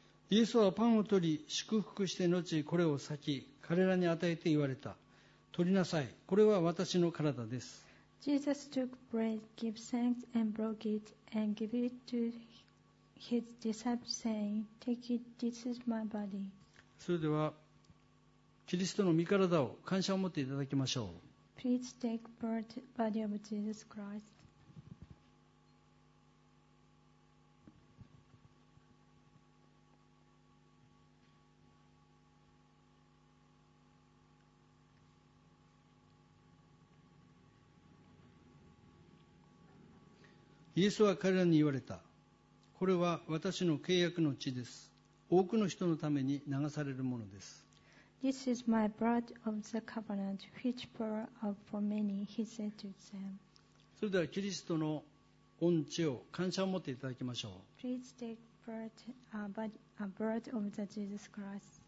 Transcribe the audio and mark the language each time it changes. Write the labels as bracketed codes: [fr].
[ja] イエスはパンを取り祝福して後これを裂き彼らに与えて言われた。取りなさい、これは私の体です。 [en] Jesus took bread, gave thanks and broke it and gave it to his disciples saying, Take it, this is my body. [ja] それではキリストの御体を感謝を持っていただきましょう。 [en] Please take part body of Jesus Christ. [ja] イエスは彼らに言われた。これは私の契約の血です。多くの人のために流されるものです。 [en] This is my blood of the covenant, which pour out for many, he said to them. [ja] それではキリストの御血を感謝を持っていただきましょう。 [en] Please take part a blood of the Jesus Christ.